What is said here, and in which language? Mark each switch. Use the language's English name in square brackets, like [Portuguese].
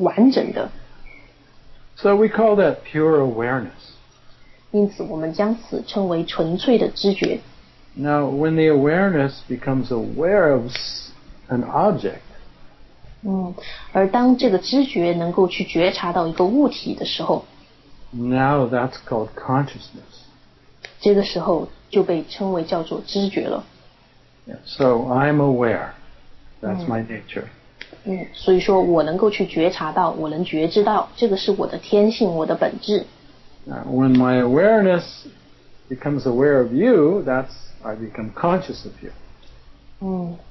[Chinese] 并且它的天性就是快乐的，完整的。 [English] So we call that pure awareness. [Chinese] 因此我们将此称为纯粹的知觉。 [English] Now when the awareness becomes aware of an object. [Chinese] 而当这个知觉能够去觉察到一个物体的时候。 [English] Now that's called consciousness. [Chinese] 这个时候就被称为叫做知觉了。 [English] So I'm aware. That's my nature. [Chinese] 所以说我能够去觉察到，我能觉知到，这个是我的天性，我的本质。 [English] When my awareness becomes aware of you, that's I become conscious of you.